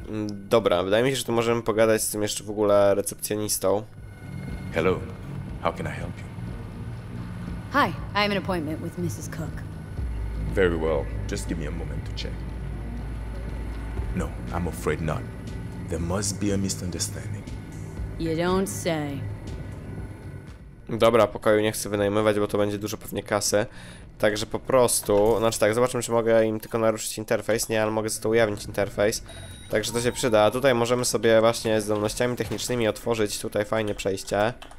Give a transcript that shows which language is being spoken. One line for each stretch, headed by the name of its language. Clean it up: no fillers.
Polish: Dobra, wydaje mi się, że tu możemy pogadać z tym jeszcze w ogóle recepcjonistą.
English: Hello. How can I help you? Hi, I have an appointment with Mrs. Cook. Very well. Just give me a moment to check. No, I'm afraid not. There must be a misunderstanding. You don't say.
Polish: Dobra, pokoju nie chcę wynajmować, bo to będzie dużo pewnie kasy. Także po prostu, znaczy tak, zobaczmy, czy mogę im tylko naruszyć interfejs. Nie, ale mogę za to ujawnić interfejs. Także to się przyda. A tutaj możemy sobie właśnie zdolnościami technicznymi otworzyć tutaj fajne przejście.